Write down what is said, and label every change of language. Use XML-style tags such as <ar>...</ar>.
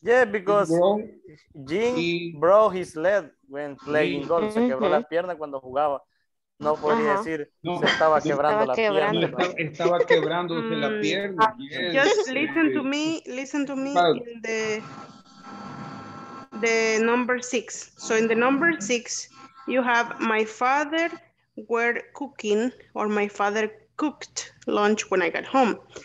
<en>yeah, because Jim broke his leg when playing golf.</en> <es>Se quebró la pierna cuando jugaba. No podía decir no, se estaba quebrando la pierna. Estaba quebrándose la pierna.</es> <en>Yes. Just listen to me in the number six. So in the number six, you have my father were cooking or my father cooked lunch when I got home.</en>